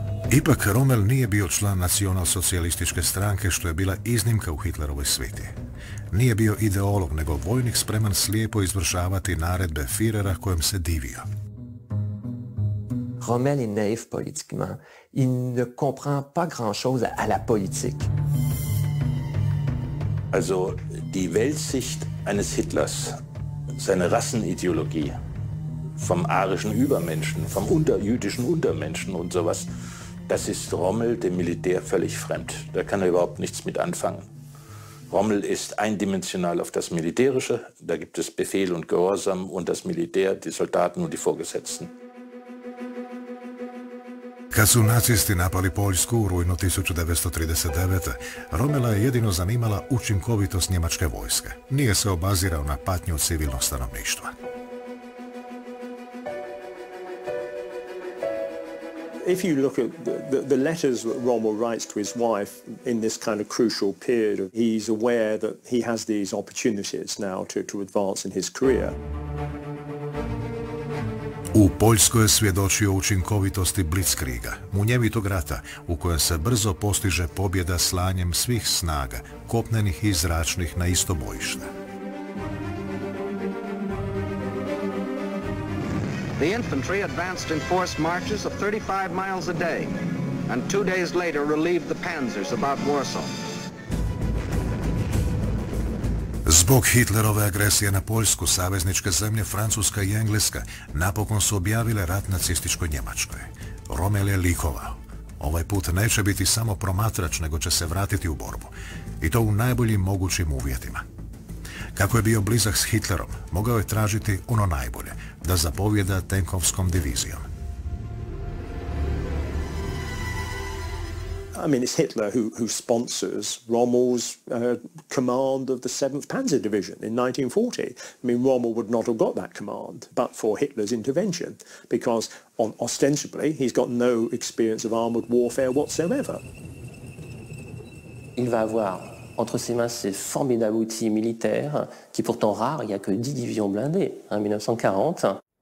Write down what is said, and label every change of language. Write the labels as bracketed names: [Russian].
[Croatian] Ipak Rommel nije bio član nacionalsocijalističke stranke, što je bila iznimka u Hitlerovoj sviti. Nije bio ideolog, nego vojnik spreman slijepo izvršavati naredbe Führera kojem se divio. [French] Rommel est naïf politiquement. Il ne comprend pas grand-chose à la politique. [German] Also, die Weltsicht eines Hitlers, seine Rassenideologie vom arischen Übermenschen, vom jüdischen Untermenschen und sowas, das ist Rommel dem Militär völlig fremd. Da kann er überhaupt nichts mit anfangen. Rommel ist eindimensional auf das Militärische. Da gibt es Befehl und Gehorsam und das Militär, die Soldaten und die Vorgesetzten. [Croatian] Kad su nacisti napali Poljsku u rujnu 1939. Rommela je jedino zanimala učinkovitost njemačke vojske. Nije se obazirao na patnju civilnog stanovništva. [English] If you look at the letters that Rommel writes to his wife in this kind of crucial period, he's aware that he has these opportunities now to advance in his career. [Croatian] U Poljskoj je svjedočio učinkovitosti Blitzkriga, munjevitog rata u kojem se brzo postiže pobjeda slanjem svih snaga, kopnenih i zračnih, na isto bojište. [English] The infantry advanced in forced marches of 35 miles a day and 2 days later relieved the panzers about Warsaw. [Croatian] Zbog Hitlerove agresije na Poljsku, savezničke zemlje Francuska i Engleska napokon su objavile rat nacističkoj Njemačkoj. Rommel je likovao. Ovaj put neće biti samo promatrač, nego će se vratiti u borbu. I to u najboljim mogućim uvjetima. Kako je bio blizak s Hitlerom, mogao je tražiti ono najbolje, da zapovjeda tenkovskom divizijom. [English] I mean, it's Hitler who sponsors Rommel's command of the 7th Panzer Division in 1940. I mean, Rommel would not have got that command but for Hitler's intervention, because ostensibly he's got no experience of armored warfare whatsoever. [French] Il va avoir entre ses mains ces formidables outils militaires, qui pourtant rares, il n'y a que 10 divisions blindées en 1940.